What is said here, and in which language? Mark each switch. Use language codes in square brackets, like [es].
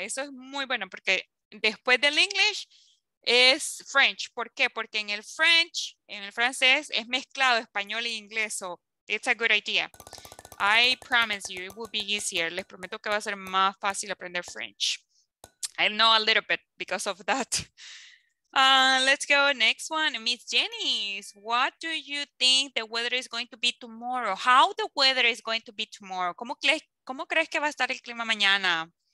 [es] Eso es muy bueno porque después del English es French. ¿Por qué? Porque en el French, en el francés, es mezclado español e inglés. [en] So it's a good idea. I promise you, it will be easier. [es] Les prometo que va a ser más fácil aprender French. [en] I know a little bit because of that. Let's go next one. Miss Jenny, what do you think the weather is going to be tomorrow? How the weather is going to be tomorrow? [es] ¿Cómo crees que va a estar el clima mañana?